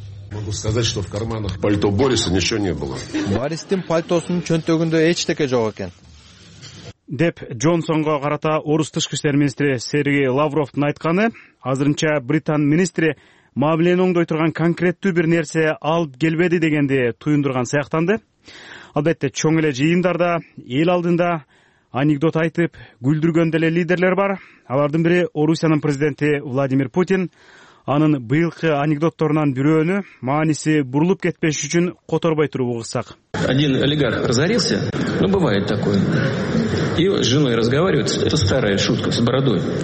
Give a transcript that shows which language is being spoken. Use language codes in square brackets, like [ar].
[ru] Могу сказать, что в карманах пальто Бориса ничего не было. [ky] Бористин пальтосунун чөнтөгүндө эч нерсе жок экен. Деп Джонсонго карата Орус тышкы иштер министри Сергей Лавровдун айтканы, азырынча Британ министри мамилени оңдой турган конкреттүү бир нерсе алып келбеди дегенди туюндурган сыяктанды. Албетте, чоң эле жыйындарда эл алдында анекдот айтып күлдүргөн деле лидерлер бар. Алардын бири Орусиянын президенти Владимир Путин. Анын быйылкы анекдотторунан бирөөнү мааниси бурулуп кетпеш үчүн которбой туруп угусак. [ru] Один олигарх разорился, ну бывает такое. И с женой разговаривает, это старая шутка с бородой.